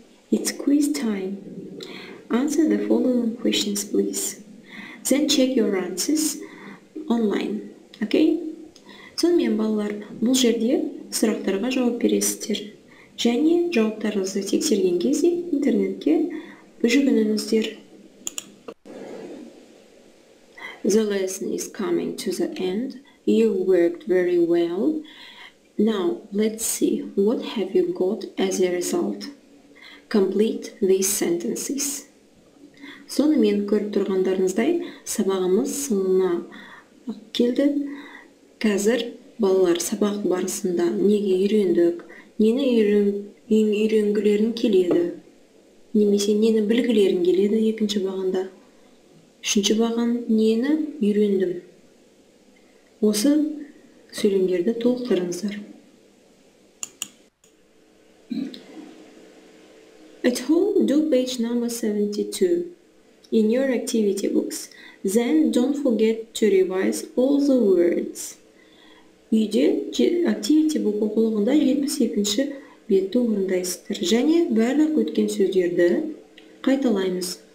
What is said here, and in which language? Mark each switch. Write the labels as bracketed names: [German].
[English] It's quiz time. Answer the following questions, please. Then check your answers online. Okay? [Kazakh] Сонымен балалар, бұл жерде сұрақтарға жауап бересіздер. Және жауаптарыңызды тексерген кезде интернетке жүгініңіздер. [English] The lesson is coming to the end. You worked very well. Now, let's see what have you got as a result. Complete these sentences. [Kazakh] Сонымен көріп тұрғандарыңыздай, сабағымыз соңына келді. Қазір балалар сабақ барысында неге үйрендік, нені үйренгілерін келеді, немесе нені білгілерін келеді екінші бағанда, үшінші баған нені үйрендім. Осы сөйлемдерді толықтырыңыздар. [English] At home, do page number 72 in your activity books. Then don't forget to revise all the words. [Kazakh] Үйде activity book оқулығында 72-ші бетті орындайсыздар. Және барлық өткен сөздерді қайталаймыз.